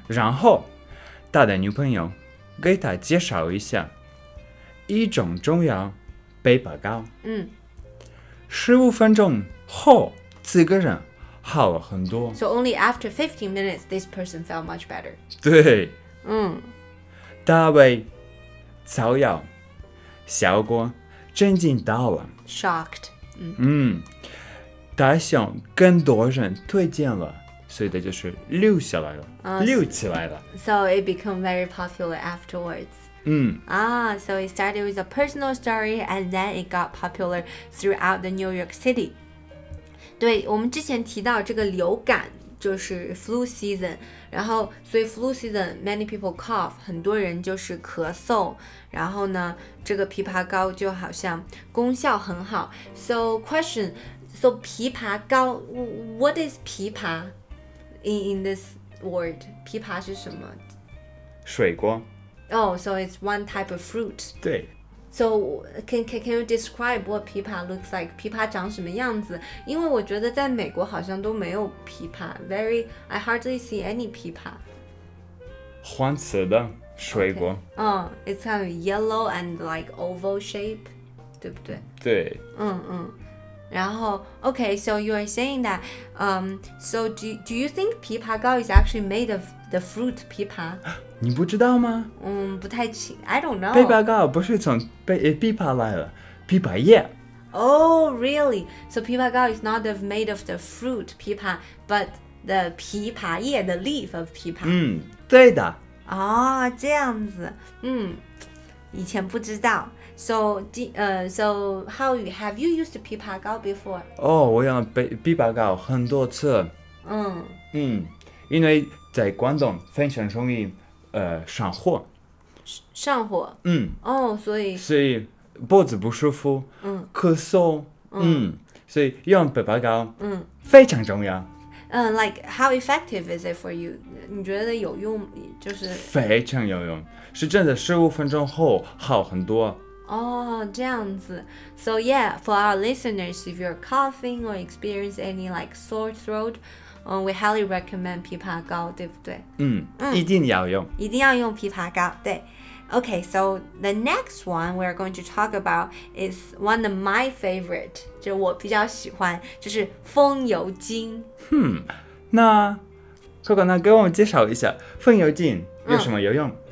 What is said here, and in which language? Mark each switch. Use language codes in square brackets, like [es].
[zh] 然后他的女朋友给他介绍一下一种中药枇杷膏。 15分钟后这个人好了很多。 [en] So only after 15 minutes, this person felt much better. [zh] 对。大卫草药效果震惊到了。 [en] Shocked. [zh] 他想更多人推荐了。所以它就是溜下来了、溜起来了。 [en] So it became very popular afterwards. So it started with a personal story and then it got popular throughout the New York City. [zh] 对，我们之前提到这个流感就是 flu season， 然后所以 flu season [en] many people cough， [zh] 很多人就是咳嗽，然后呢这个枇杷膏就好像功效很好。 [en] So question， so 枇杷膏 what is 枇杷in this word， [zh] 枇杷是什么？水果。 [en] Oh, so it's one type of fruit. [zh] 对。 [en] So can you describe what 枇杷 looks like? [zh] 枇杷长什么样子？因为我觉得在美国好像都没有枇杷。 [en] I hardly see any 枇杷。 [zh] 黄色的水果。 [en] It's kind of yellow and like oval shape， [zh] 对不对？对。然后 [en] okay, so you are saying that so do you think 枇杷膏 is actually made of the fruit 枇杷？ [zh] 你不知道吗？不太清 [en] I don't know. [zh] 枇杷膏不是从枇杷来的，枇杷叶。 [en] Oh, really? So 枇杷膏 is not made of the fruit 枇杷， but the 枇杷叶 the leaf of 枇杷。 [zh] 对的。这样子。以前不知道。 [en] So how you have you used 枇杷膏 before? [zh] 我用枇杷膏很多次。因为在广东非常容易上火。上火。所以脖子不舒服。咳嗽。所以用枇杷膏。非常重要。 [en] Like how effective is it for you? [zh] 你觉得有用就是？非常有用，是真的，十五分钟后好很多。这样子。 [en] So yeah, for our listeners, if you're coughing or experience any like sore throat, We highly recommend 枇杷膏， [zh] 对不对？嗯，一定要用。一定要用枇杷膏，对。 [en] Okay, so the next one we're going to talk about is one of my favorite, [zh] 就我比较喜欢，就是风油精。那Coco呢，给我们介绍一下风油精有什么有用？